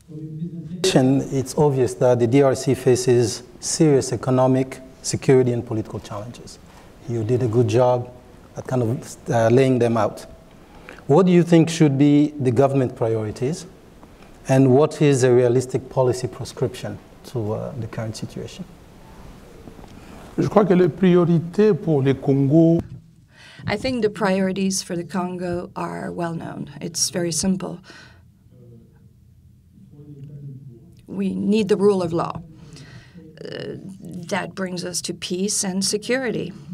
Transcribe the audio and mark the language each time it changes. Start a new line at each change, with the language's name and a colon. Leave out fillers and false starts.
English: It's obvious that the DRC faces serious economic, security, and political challenges. You did a good job at kind of laying them out. What do you think should be the government priorities, and what is a realistic policy prescription to the current situation?
French: Je crois que les priorités pour le Congo.
English: I think the priorities for the Congo are well known. It's very simple. We need the rule of law. That brings us to peace and security.